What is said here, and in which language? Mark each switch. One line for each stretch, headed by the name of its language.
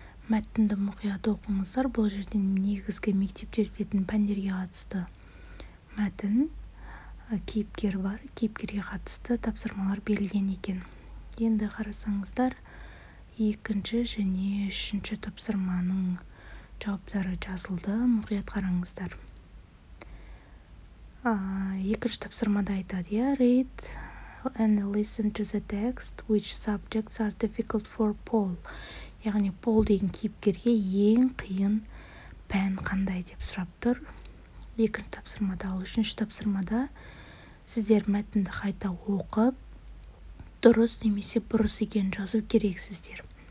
Kazakh: Мәтінді мұқият оқыңыздар. Бұл жерден негізгі мектептер дейтін пәндерге қатысты мәтін, кейіпкер бар. Кейіпкерге қатысты тапсырмалар берілген екен. Енді қарасаңыздар, екінші және үшінші тапсырманың жауаптары жазылды. Мұқият қараңыздар. Екінші тапсырмада айтады,
English: read and listen to the text, which subjects are difficult for Paul.
Kazakh: яғни Пол деген кейіпкерге ең қиын пән қандай деп сұрап тұр. Екінші тапсырмада, ал үшінші тапсырмада сіздер мәтінді қайта оқып, дұрыс немесе бұрыс екенін жазу керексіздер.